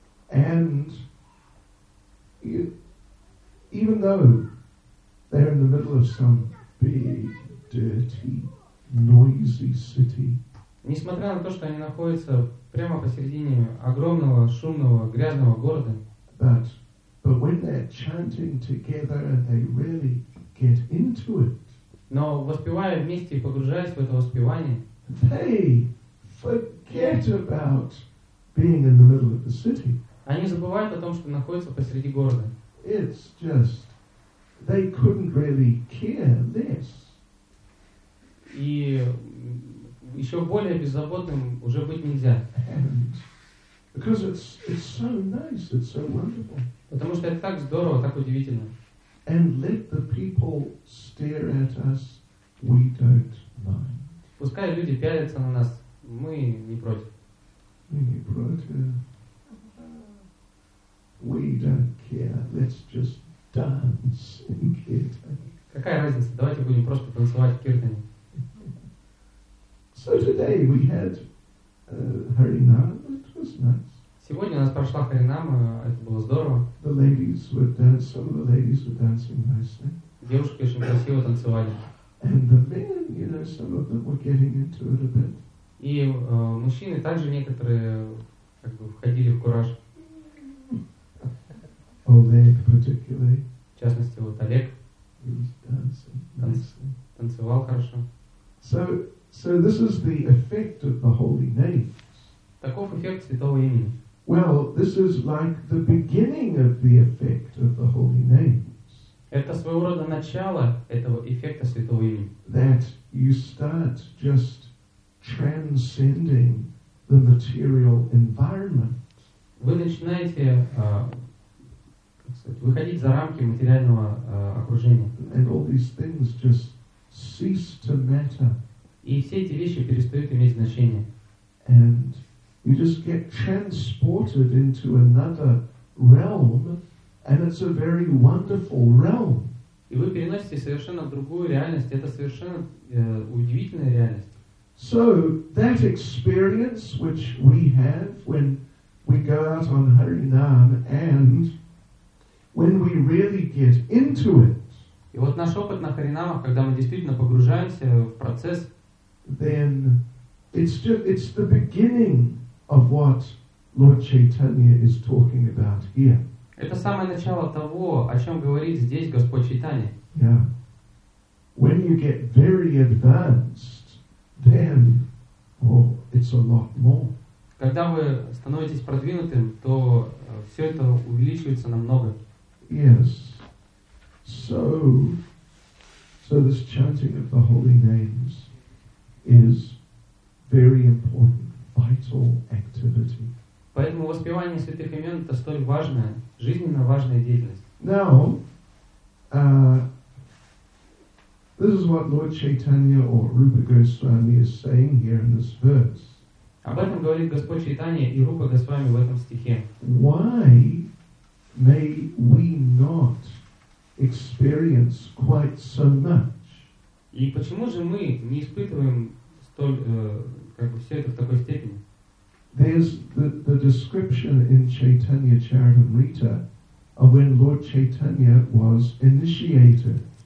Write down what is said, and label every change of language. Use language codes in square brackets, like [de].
[en] And even though they're in the middle of some big, dirty, noisy city. [ru] Несмотря на то, что они находятся прямо посередине огромного, шумного, грязного города. [en] But when they're chanting together and they really get into it. [ru] Но воспевая вместе и погружаясь в это воспевание, [en] they forget about being in the middle of the city. [ru] Они забывают о том, что находятся посреди города. [en] It's just they couldn't really care less. [ru] И еще более беззаботным уже быть нельзя. [en] And because it's so nice, it's so wonderful. [ru] Потому что это так здорово, так удивительно. [en] And let the people stare at us, we don't mind. [ru] Пускай люди пялятся на нас, мы не против. [en] We [ru] не против. [en] We don't care. Let's just dance in kirtan. [ru] Какая разница? Давайте будем просто танцевать в киртане. [en] So today we had Харинама. It was nice. [ru] Сегодня у нас прошла харинама, это было здорово. [en] The ladies were dancing, some of the ladies were dancing nicely. [ru] Девушки очень красиво танцевали. [en] And the men, you know, some of them were getting into it a bit. [ru] И мужчины также некоторые как бы входили в кураж. [en] Олег particularly. [ru] В частности, вот Олег. [en] He was dancing nicely. [ru] Танцевал хорошо. [en] So this is the effect of the holy name. [ru] Таков эффект святого имени. [en] Well, this is like the beginning of the effect of the holy names. [ru] Это своего рода начало этого эффекта святого имени. [en] That you start just transcending the material environment. [ru] Вы начинаете выходить за рамки материального окружения. [en] And all these things just cease to matter. [ru] И все эти вещи перестают иметь значение. [en] And you just get transported into another realm, and it's a very wonderful realm. [ru] И вы переносите совершенно в другую реальность. Это совершенно удивительная реальность. [en] So that experience which we have when we go out on Harinam and when we really get into it. [ru] И вот наш опыт на Харинамах, когда мы действительно погружаемся в процесс, [en] then it's the beginning of what Lord Chaitanya is talking about here. [ru] Это самое начало того, о чем говорит здесь Господь Чайтанья. [en] Yeah. When you get very advanced, then it's a lot more. [ru] Когда вы становитесь продвинутым, то все это увеличивается намного. [en] Yes. So this chanting of the holy names is very important. Vital activity. [ru] Поэтому воспевание святых имен это столь важная, жизненно важная деятельность. [en] Now, this is what Lord Chaitanya or Rupa Goswami is saying here in this verse. [ru] Об этом говорит Господь Чайтанья и Рупа Госвами в этом стихе. [en] Why may we not experience quite so much? [ru] И почему же мы не испытываем столь, как бы все это в такой степени? [en] There's the description in Chaitanya Charitamrita of when Lord Chaitanya was initiated.